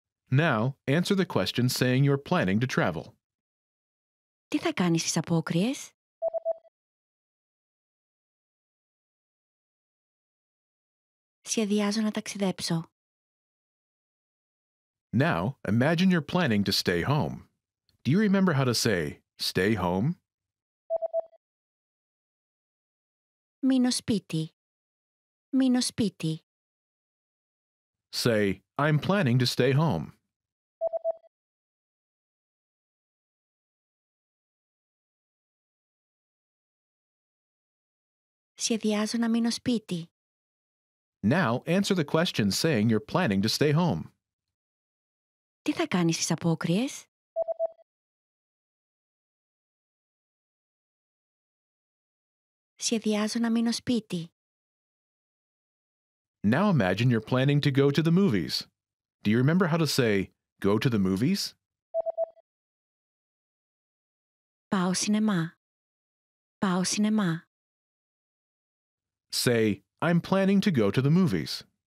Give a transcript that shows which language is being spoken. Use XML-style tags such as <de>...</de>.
<en>Now, answer the question saying you're planning to travel.</en> <el>Τι θα κάνεις στις απόκριες? Σχεδιάζω να ταξιδέψω.</el> <en>Now, imagine you're planning to stay home. Do you remember how to say, stay home?</en> <el>Μείνω σπίτι. Μείνω σπίτι.</el> <en>Say, I'm planning to stay home.</en> <el>Σχεδιάζω να μείνω σπίτι.</el> <en>Now, answer the question saying you're planning to stay home.</en> <el>Τι θα κάνεις στις απόκριες? Σχεδιάζω να μείνω σπίτι.</el> <en>Now imagine you're planning to go to the movies. Do you remember how to say, go to the movies?</en> <el>Πάω σινεμά. Πάω σινεμά.</el> <en>Say, I'm planning to go to the movies.</en>